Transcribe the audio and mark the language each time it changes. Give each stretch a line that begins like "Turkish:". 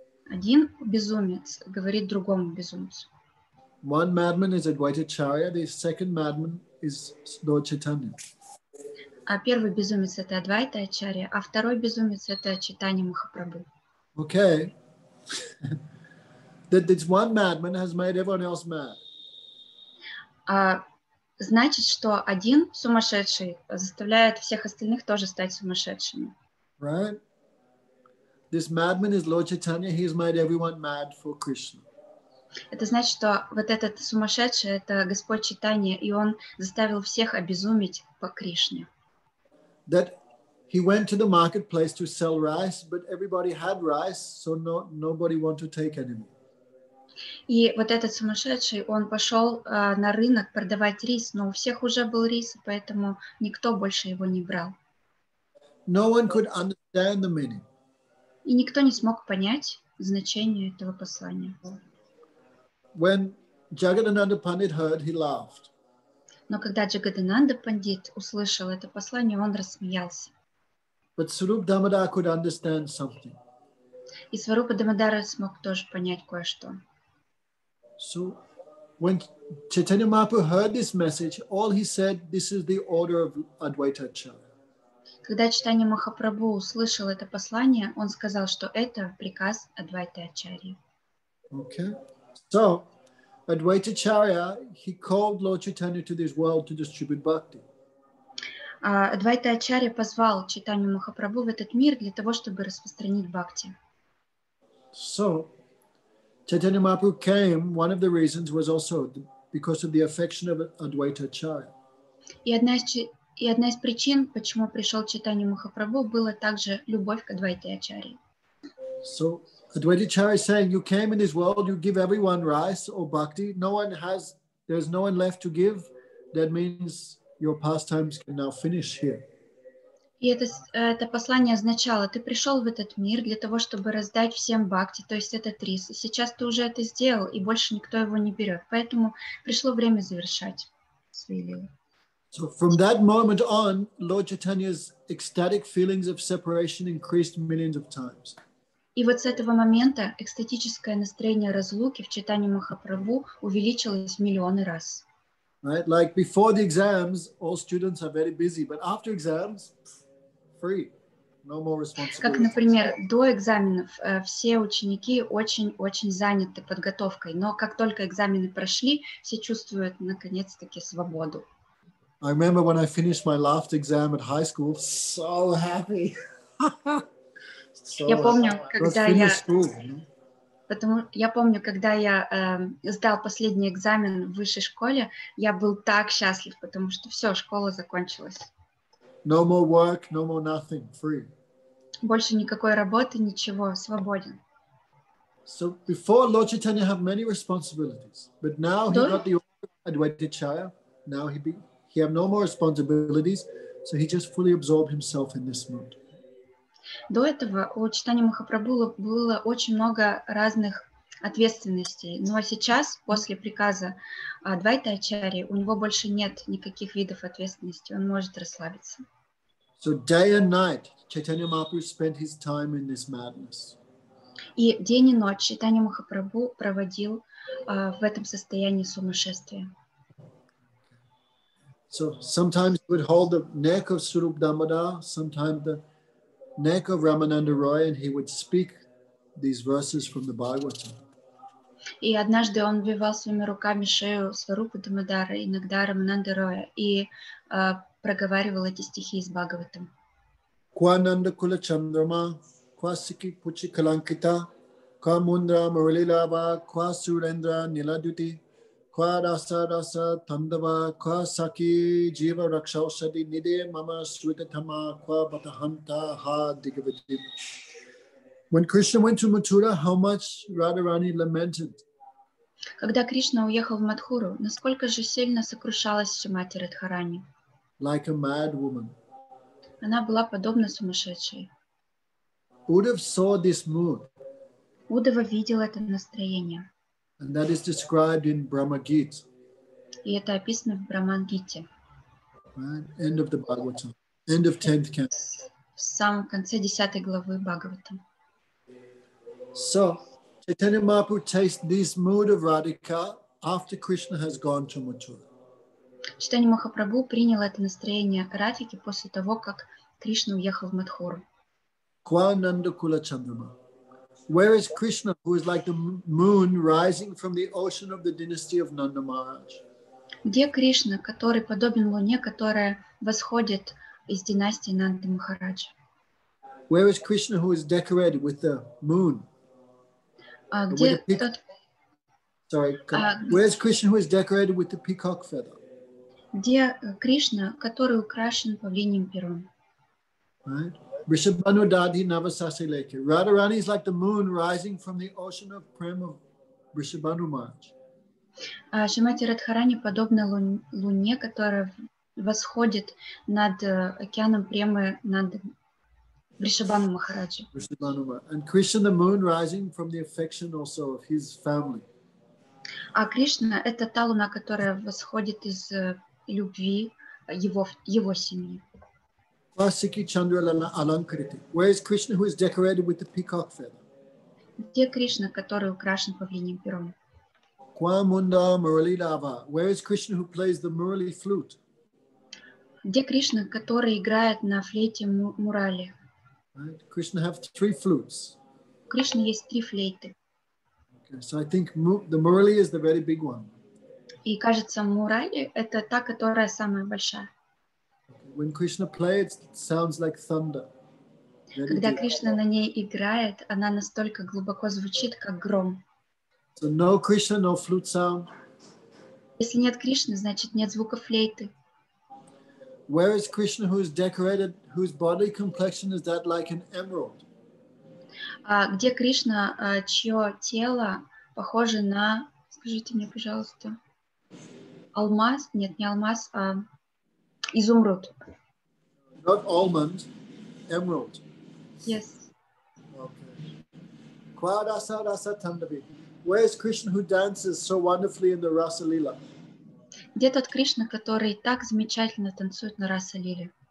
Russian: Один безумец говорит другому безумцу.
English: One madman is Advaita Acharya, the second madman is Lord Chaitanya.
Russian: А первый безумец это Адвайта Ачарья, а второй безумец это Чайтанья Махапрабху.
English: Okay. That this one madman has made everyone else mad.
Russian: Значит, что один сумасшедший заставляет всех остальных тоже стать сумасшедшими.
English: Right? This madman is Lord Chaitanya. He has made everyone mad for Krishna.
Russian: Это значит, что вот этот сумасшедший — это Господь Чайтанья, и он заставил всех обезуметь по Кришне.
English: That he went to the marketplace to sell rice, but everybody had rice, so nobody wanted to take anymore.
Russian: И вот этот сумасшедший, он пошел на рынок продавать рис, но у всех уже был рис, поэтому никто больше его не брал.
English: No one could understand the meaning.
Russian: И никто не смог понять значение этого послания.
English: When Jagadananda Pandit heard, he laughed.
Russian: Но когда Джагадананда Пандит услышал это послание, он рассмеялся.
English: But Swarupa Damodara could understand something.
Russian: И Сварупа Дамодара смог тоже понять кое-что.
English: So, when Chaitanya Mahaprabhu heard this message, all he said, this is the order of Advaita Acharya.
Russian: Когда Чайтанья Махапрабху услышал это послание, он сказал, что это приказ Адвайты Ачарьи.
English: Okay. So, Advaita Acharya, he called Lord Chaitanya to this world to distribute bhakti.
Russian: Адвайта Ачарья позвал Чайтанью Махапрабху в этот мир для того, чтобы распространить бхакти.
English: So, Chaitanya Mahaprabhu came, one of the reasons was also because of the affection of Advaita Acharya.
Russian: И одна из причин, почему пришел Чайтанья Махапрабху, была также любовь к Адвайте Ачарье.
English: So, Advaita Acharya saying, you came in this world, you give everyone rice or bhakti, there's no one left to give, that means your pastimes can now finish here.
Russian: И это послание означало, ты пришел в этот мир для того, чтобы раздать всем бхакти, то есть этот рис. Сейчас ты уже это сделал, и больше никто его не берет. Поэтому пришло время завершать свои лилы.
English: So from that moment on, Lord Chaitanya's ecstatic feelings of separation increased millions of times.
Russian: И вот с этого момента экстатическое настроение разлуки в Чайтанье Махапрабху увеличилось в миллионы раз.
English: Right, like before the exams, all students are very busy, but after exams, free, no more responsibility.
Russian: Как, например, до экзаменов все ученики очень-очень заняты подготовкой, но как только экзамены прошли, все чувствуют наконец-таки свободу.
English: I remember when I finished my last exam at high school, so happy.
Russian: Я помню, когда я сдал последний экзамен в высшей школе, я был так счастлив, потому что все, школа закончилась.
English: No more work, no more nothing, free.
Russian: Больше никакой работы, ничего, свободен.
English: So before Lord Chaitanya had many responsibilities, but now he got the order of Advaita Acharya. Now he have no more responsibilities, so he just fully absorbed himself in this mode.
Russian: До этого у Чайтаньи Махапрабху было очень много разных ответственностей. Но сейчас, после приказа Адвайты Ачарьи, у него больше нет никаких видов ответственности. Он может расслабиться.
English: So day and night, Chaitanya Mahaprabhu spent his time in this madness.
Russian: И день и ночь Чайтанья Махапрабху проводил в этом состоянии сумасшествия.
English: So sometimes he would hold the neck of Swarupa Damodara, sometimes the neck of Ramananda Roy, and he would speak these verses from the Bhagavatam.
Russian: И однажды он вивал своими руками шею Сварупу Дамодара, иногда Рамананда Роя, и проговаривал эти стихи из Бхагаватам.
Sanskrit: Куананда Кула Чандрама, Квасики Пучи Каланкита, Квамундра Мурлилава, Квасурендра Ниладюти, Квараса Раса Тандава, Квасаки Джива Ракшаусади, Ниде Мама Свитатама, Квабатаханта Ха Дигавити.
English: When Krishna went to Mathura, how much Radharani lamented.
Russian: Когда Кришна уехал в Матхуру, насколько же сильно сокрушалась Шримати Радхарани.
English: Like a mad woman.
Russian: Она была подобна сумасшедшей.
English: Удав saw this mood.
Russian: Удава видел это настроение.
English: And that is described in Brahma Gita.
Russian: И это описано в Брахмагите.
English: End of the Bhagavatam. End of 10th canto.
Russian: В самом конце 10 главы Бхагаватам.
English: So, Chaitanya Mahaprabhu tastes this mood of Radhika after Krishna has gone to Mathura.
Russian: Chaitanya Mahaprabhu принял это настроение Радхики после того, как Кришна уехал в Матхуру.
Sanskrit: Kwa Nanda Kula Chandrama.
English: Where is Krishna, who is like the moon rising from the ocean of the dynasty of Nanda Maharaj?
Russian: Где Кришна, который подобен луне, которая восходит из династии Нанды Махараджа?
English: Where is Krishna, who is decorated with the moon? Where is Krishna, who is decorated with the peacock feather?
Russian: Где Кришна, который украшен павлиньим пером?
Sanskrit: Rishabhanu dadhi navasase leke.
English: Radharani is like the moon rising from the ocean of prem of Rishabhanu Maharaj.
Russian: Шримати Радхарани подобна луне, которая восходит над океаном премы Нанды.
English: Rishabhanu Maharaj. And Krishna, the moon rising from the affection also of his family.
Russian: А Кришна – это та луна, которая восходит из любви его семьи.
Sanskrit: Васики Чандралана Аланкрити.
English: Where is Krishna, who is decorated with the peacock feather?
Russian: Где Кришна, который украшен павлиньим пером?
Sanskrit: Квамунда Мурали Лава.
English: Where is Krishna, who plays the Murali flute?
Russian: Где Кришна, который играет на флейте Мурали?
English: Right. Krishna have three flutes.
Russian: Krishna есть три флейты.
English: Okay, so I think the Murali is the very big one.
Russian: И кажется, Мурали это та, которая самая большая.
English: Okay. When Krishna plays, it sounds like thunder. Very
Russian: Когда
English: deep.
Russian: Кришна на ней играет, она настолько глубоко звучит, как гром.
English: So no Krishna, no flute sound.
Russian: Если нет Кришны, значит нет звука флейты.
English: Where is Krishna, who is decorated, whose body complexion is that like an emerald?
Russian: Где Кришна, чье тело похоже на, скажите мне, пожалуйста, алмаз? Нет, не алмаз, а изумруд.
English: Not almond, emerald. Yes.
Sanskrit: Okay. Kwa rasa rasa tandavi.
English: Where is Krishna, who dances so wonderfully in the Rasa Lila?
Russian: Где тот Кришна, который так замечательно танцует на Раса-лиле?